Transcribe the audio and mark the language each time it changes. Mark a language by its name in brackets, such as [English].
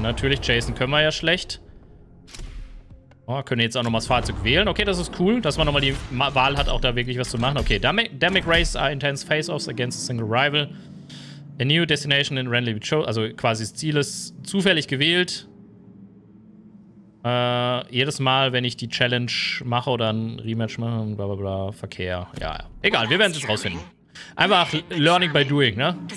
[German] Natürlich, Chasen können wir ja schlecht. Oh, können jetzt auch nochmal das Fahrzeug wählen. Okay, das ist cool, dass man nochmal die Wahl hat, auch da wirklich was zu machen. [English] Okay, Dynamic Race are intense face-offs against a single rival. A new destination in randomly chosen. [German] Also quasi das Ziel ist zufällig gewählt. Jedes Mal, wenn ich die Challenge mache oder ein Rematch mache und bla bla bla, Verkehr. Ja, ja. Egal, wir werden es jetzt rausfinden. Einfach [English] learning by doing, [German] ne?